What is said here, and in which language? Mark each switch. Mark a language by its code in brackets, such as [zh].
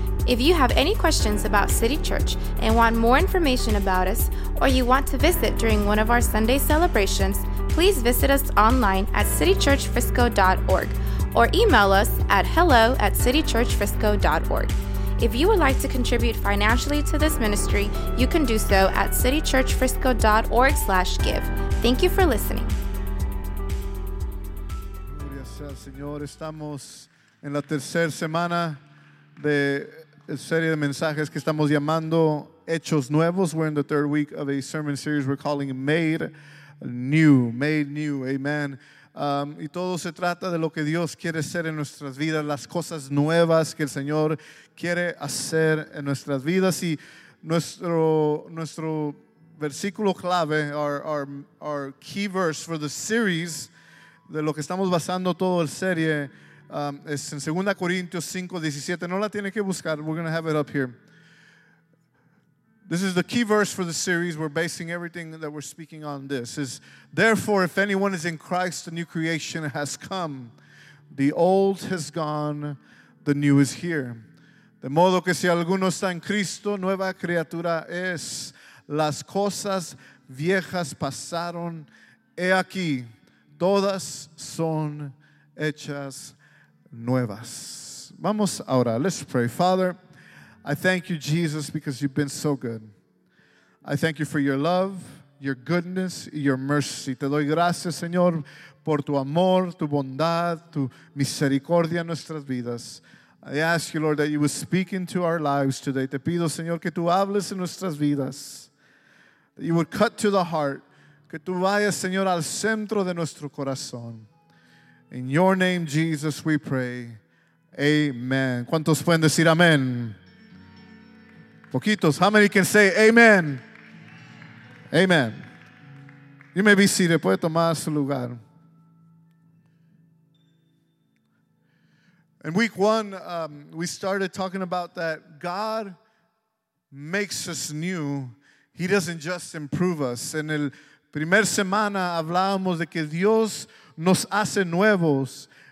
[en] If you have any questions about City Church and want more information about us, or you want to visit during one of our Sunday celebrations, please visit us online at citychurchfrisco.org or email us at hello@citychurchfrisco.org. If you would like to contribute financially to this ministry, you can do so at citychurchfrisco.org/give. Thank you for listening. [es] Gloria sea, Señor. Estamos en la tercera semana de serie de mensajes que estamos llamando Hechos Nuevos. [en] We're in the third week of a sermon series we're calling Made New. Made New. Amen. [es] Y todo se trata de lo que Dios quiere hacer en nuestras vidas, las cosas nuevas que el Señor quiere hacer en nuestras vidas. Y nuestro versículo clave, [en] our key verse for the series, [es] de lo que estamos basando todo el serie, es en 2 Corintios 5:17. No la tiene que buscar, [en] we're going to have it up here. This is the key verse for the series. We're basing everything that we're speaking on this. Is therefore, if anyone is in Christ, the new creation has come. The old has gone, the new is here. [es] De modo que si alguno está en Cristo, nueva criatura es. Las cosas viejas pasaron, he aquí, todas son hechas nuevas. Vamos ahora, [en] let's pray. Father, I thank you, Jesus, because you've been so good. I thank you for your love, your goodness, your mercy. [es] Te doy gracias, Señor, por tu amor, tu bondad, tu misericordia en nuestras vidas. [en] I ask you, Lord, that you would speak into our lives today. [es] Te pido, Señor, que tú hables en nuestras vidas. [en] That you would cut to the heart. [es] Que tú vayas, Señor, al centro de nuestro corazón. [en] In your name, Jesus, we pray. Amen. [es] ¿Cuántos pueden decir amén? Poquitos. [en] How many can say amen? Amen. You may be seated. [es] Puede tomar su lugar. [en] In week one, we started talking about that God makes us new. He doesn't just improve us. [es] En el primer semana hablábamos de que Dios nos hace nuevos.